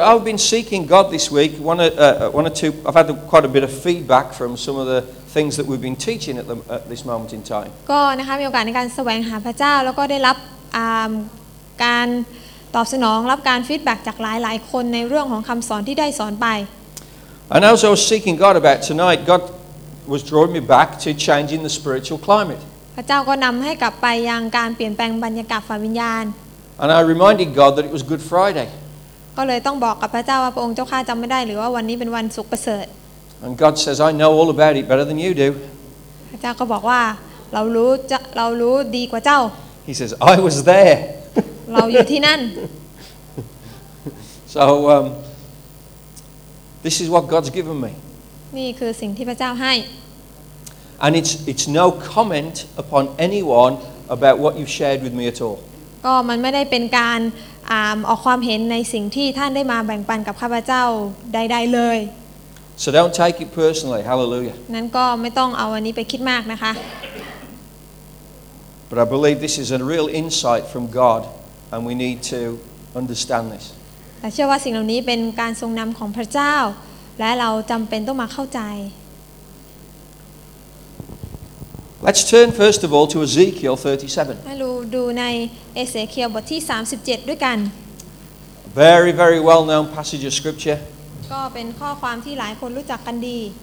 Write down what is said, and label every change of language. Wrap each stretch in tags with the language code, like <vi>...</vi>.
<en>I've been seeking God this week. One or two. I've had quite a bit of feedback from some of the things that we've been teaching at this moment in time.</en> <th>ก็นะคะมีโอกาสในการแสวงหาพระเจ้าแล้วก็ได้รับการตอบสนองรับการฟีดแบ็กจากหลายๆคนในเรื่องของคำสอนที่ได้สอนไป</th> <en>And as I was seeking God about tonight, God was drawing me back to changing the spiritual climate.</en> <th>พระเจ้าก็นำให้กลับไปยังการเปลี่ยนแปลงบรรยากาศฝ่ายวิญญาณ</th> <en>And I reminded God that it was Good Friday.</en> <th>ก็เลยต้องบอกกับพระเจ้าว่าพระองค์เจ้าข้าจำไม่ได้หรือว่าวันนี้เป็นวันศุกร์ประเสริฐ</th> <en>And God says I know all about it better than you do</en> <th>พระเจ้าก็บอกว่าเรารู้ดีกว่าเจ้า</th> <en>He says I was there</en> <th>เราอยู่ที่นั่น</th> <en>So this is what God's given me</en> <th>นี่คือสิ่งที่พระเจ้าให้</th> <en>And it's no comment upon anyone about what you've shared with me at all</en> <th>ก็มันไม่ได้เป็นการออกความเห็นในสิ่งที่ท่านได้มาแบ่งปันกับข้าพเจ้าใดๆเลย</th> <en>So don't take it personally. Hallelujah.</en> <th>นั้นก็ไม่ต้องเอาอันนี้ไปคิดมากนะคะ</th> <en>But I believe this is a real insight from God and we need to understand this.</en> <th>แต่เชื่อว่าสิ่งเหล่านี้เป็นการทรงนำของพระเจ้าและเราจำเป็นต้องมาเข้าใจ</th> <en>Let's turn first of all to Ezekiel 37.</en> <th>ให้ดูในเอเสเคียลบทที่37ด้วยกัน</th> <en>Very very well known passage of scripture</en> <th>ก็เป็นข้อความที่หลายคนรู้จักกันดี</th>